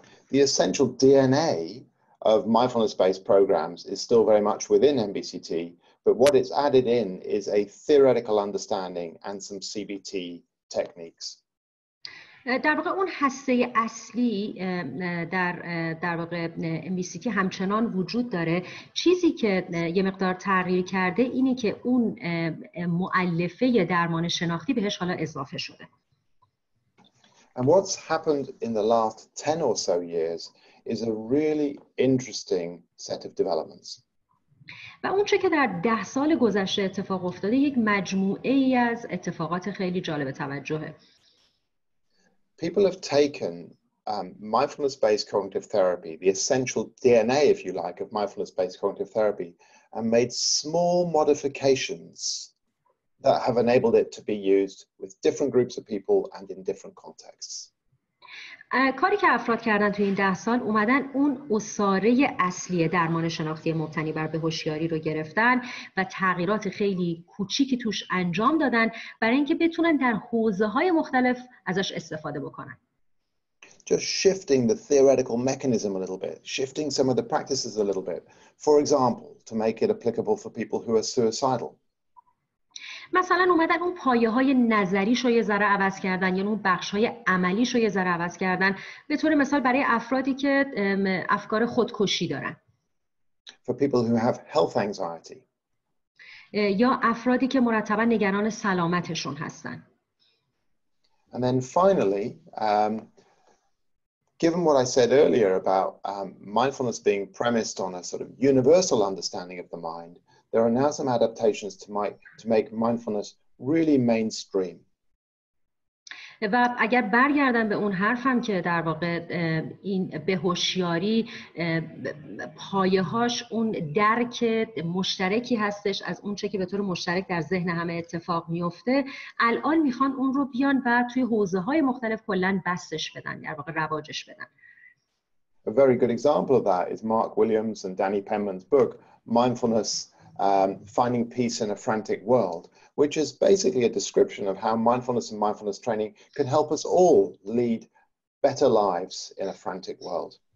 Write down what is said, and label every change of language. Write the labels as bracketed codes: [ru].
[en] The essential DNA of mindfulness-based programs is still very much within MBCT. But what it's added in is a theoretical understanding and some CBT techniques. [fa] در واقع اون هسته اصلی در واقع MBCT همچنان وجود داره. چیزی که یه مقدار تغییر کرده اینه که اون مؤلفه درمان شناختی بهش حالا اضافه شده. [en] And what's happened in the last 10 or so years is a really interesting set of developments. [fa] و اون چه که در 10 سال گذشته اتفاق افتاده یک مجموعه ای از اتفاقات خیلی جالب توجهه. [en] People have taken mindfulness-based cognitive therapy, the essential DNA, if you like, of mindfulness-based cognitive therapy, and made small modifications that have enabled it to be used with different groups of people and in different contexts. [fa] کاری که افراد کردن توی این 10 سال، اومدن اون اساره اصلی درمان شناختی مبتنی بر بهوشیاری رو گرفتن و تغییرات خیلی کوچیکی توش انجام دادن برای اینکه بتونن در حوزه‌های مختلف ازش استفاده بکنن. [en] Just shifting the theoretical mechanism a little bit, shifting some of the practices a little bit. For example, to make it applicable for people who are suicidal. [fa] مثلا اومدن اون پایه‌های نظریش رو یه ذره عوض کردن، یعنی اون بخش‌های عملیش رو یه ذره عوض کردن، به طور مثال برای افرادی که افکار خودکشی دارن. [en] For people who have health anxiety. [fa] یا افرادی که مرتبا نگران سلامتشون هستن. [en] And then finally, given what I said earlier about mindfulness being premised on a sort of universal understanding of the mind, there are now some adaptations to make mindfulness really mainstream. [fa] و اگر برگردم به اون حرفم که در واقع این به هوشیاری پایه‌هاش اون درک مشترکی هستش از اون چه که به طور مشترک در ذهن همه اتفاق میفته، الان میخوان اون رو بیان و توی حوزه‌های مختلف کلن بسش بدن، در واقع رواجش بدن. [en] A very good example of that is Mark Williams and Danny Penman's book, Mindfulness, Finding Peace in a Frantic World, which is basically a description of how mindfulness and mindfulness training can help us all lead better lives in a frantic world.